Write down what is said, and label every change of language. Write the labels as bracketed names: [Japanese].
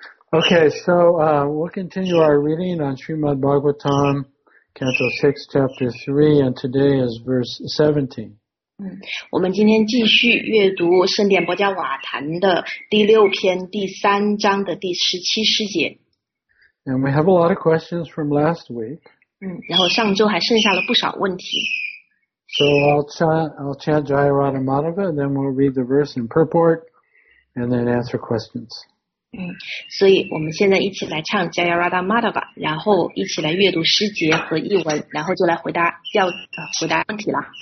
[English] Okay, so we'll continue our reading on Srimad Bhagavatam, Canto 6, Chapter 3, and today is verse 17. [Chinese] 我们今天继续阅读圣典博加瓦坛的第六篇第三章的第十七诗节。 [English] And we have a lot of questions from last week. [Chinese] 然后上周还剩下了不少问题。 [English] So I'll chant Jayarada Madhava, then we'll read the verse in purport, and then answer questions. [Chinese] 所以我们现在一起来唱 Jayarada Madhava, 然后一起来阅读诗节和译文，然后就来回答问题了。